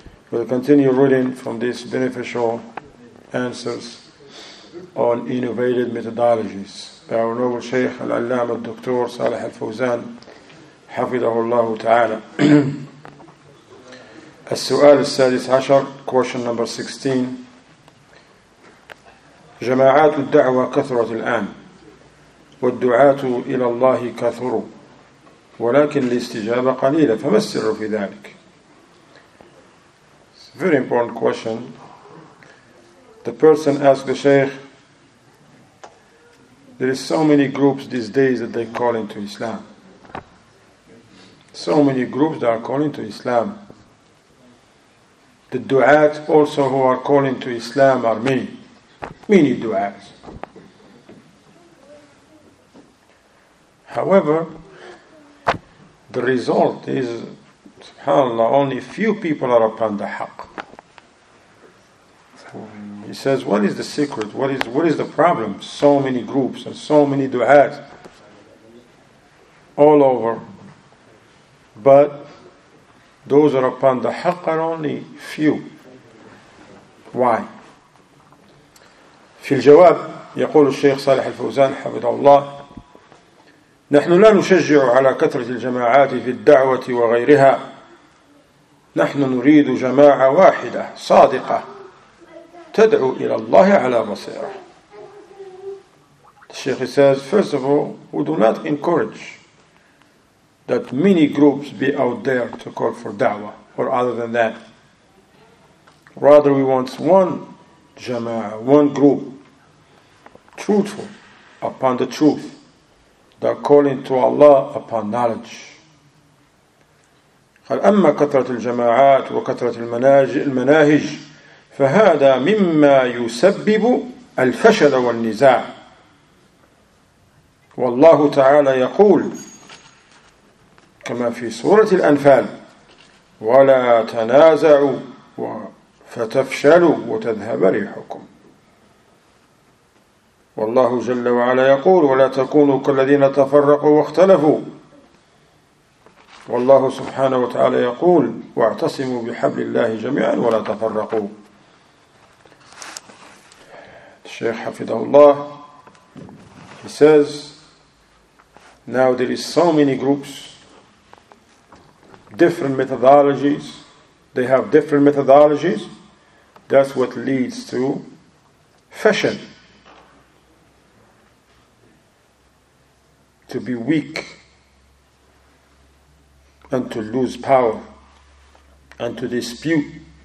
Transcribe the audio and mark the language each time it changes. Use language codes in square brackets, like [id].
[en] We'll continue reading from these beneficial answers on innovative methodologies by our noble Shaykh Al-Allama Dr. [ar] Salih Al-Fawzan, حفظه الله تعالى. السؤال السادس عشر, [en] question number 16. [ar] جماعات الدعوة كثرت الآن والدعاة إلى الله كثروا ولكن الاستجابة قليلة, فما السر في ذلك؟ [en] Very important question. The person asked the Shaykh, there is so many groups these days that they call into Islam. So many groups that are calling to Islam. The du'at also who are calling to Islam are many. Many du'at. However, the result is, subhanAllah, only few people are upon the haq. He says, what is the secret? What is the problem? So many groups and so many du'at all over. But those are upon the haqq are only few. Why? [ar] في الجواب يقول الشيخ صالح الفوزان حفظه الله, نحن لا نشجع على كثرة الجماعات في الدعوة وغيرها. نحن نريد جماعة واحدة صادقة تدعو إلى الله على بصيرة. [en] The Shaykh says, first of all, we do not encourage that many groups be out there to call for da'wah or other than that. Rather, we want one jama'ah, one group, truthful upon the truth, that calling to Allah upon knowledge. [ar] قال أما كثرة الجماعات وكثرة المناهج فهذا مما يسبب الفشل والنزاع. والله تعالى يقول كما في سورة الأنفال, ولا تنازعوا فتفشلوا وتذهب ريحكم. والله جل وعلا يقول, ولا تكونوا كالذين تفرقوا واختلفوا. والله سبحانه وتعالى يقول, واعتصموا بحبل الله جميعا ولا تفرقوا. [en] Shaykh Hafidahullah, he says, now there is so many groups, different methodologies, they have different methodologies, that's what leads to fashion, to be weak, and to lose power, and to dispute.